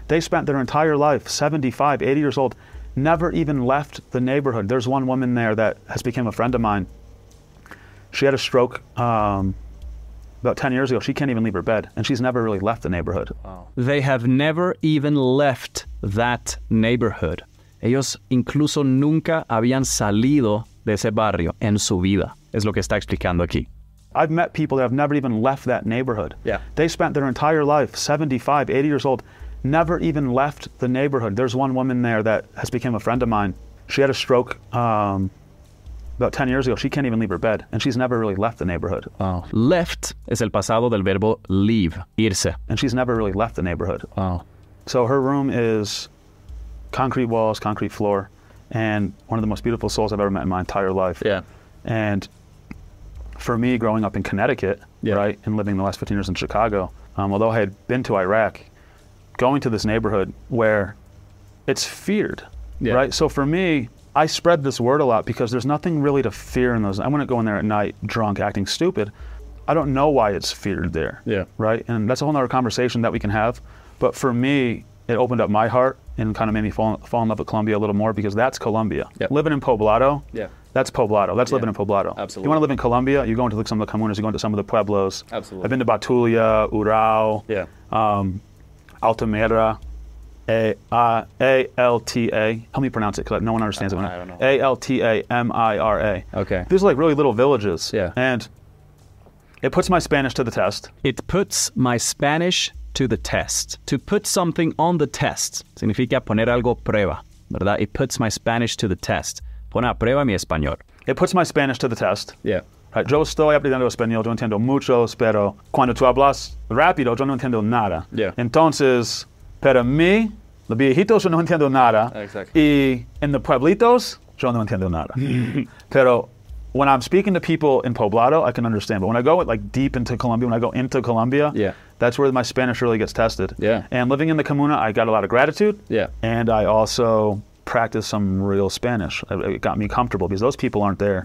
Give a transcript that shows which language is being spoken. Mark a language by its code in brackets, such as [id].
[en] They spent their entire life, 75, 80 years old, never even left the neighborhood. There's one woman there that has become a friend of mine. She had a stroke about 10 years ago. She can't even leave her bed, and she's never really left the neighborhood. Wow. They have never even left that neighborhood. [es] Ellos incluso nunca habían salido de ese barrio en su vida, es lo que está explicando aquí. [en] I've met people that have never even left that neighborhood. Yeah. They spent their entire life, 75, 80 years old, never even left the neighborhood. There's one woman there that has become a friend of mine. She had a stroke about 10 years ago. She can't even leave her bed, and she's never really left the neighborhood. Wow. [es] Left es el pasado del verbo leave, irse. [en] And she's never really left the neighborhood. Wow. So her room is concrete walls, concrete floor, and one of the most beautiful souls I've ever met in my entire life. Yeah. And for me, growing up in Connecticut, right, and living the last 15 years in Chicago, although I had been to Iraq, going to this neighborhood where it's feared, right? So for me, I spread this word a lot because there's nothing really to fear in those. I wouldn't go in there at night drunk, acting stupid. I don't know why it's feared there. Yeah. Right? And that's a whole other conversation that we can have. But for me, it opened up my heart and kind of made me fall in love with Colombia a little more because that's Colombia. Yep. Living in Poblado, that's Poblado. That's living in Poblado. Absolutely. You want to live in Colombia, you go into some of the comunas, you go into some of the pueblos. Absolutely. I've been to Batulia, Urao, Altamira. A-L-T-A. Help me pronounce it, because no one understands I don't it. A-L-T-A-M-I-R-A. Okay. These are like really little villages. Yeah. And it puts my Spanish to the test. It puts my Spanish to the test. To put something on the test [es] significa poner algo a prueba, ¿verdad? [en] It puts my Spanish to the test. [es] Pone a prueba mi español. [en] It puts my Spanish to the test. Yeah. Right. [es] Yo estoy aprendiendo español, yo entiendo mucho, pero cuando tú hablas rápido, yo no entiendo nada. [en] Yeah. [es] Entonces, para mí, los viejitos, yo no entiendo nada. [en] Exactly. [es] Y en los pueblitos, yo no entiendo nada. Pero [en] when I'm speaking to people in Poblado, I can understand. But when I go like deep into Colombia, when I go into Colombia, yeah, that's where my Spanish really gets tested. Yeah. And living in the Comuna, I got a lot of gratitude. Yeah. And I also practiced some real Spanish. It got me comfortable because those people aren't there.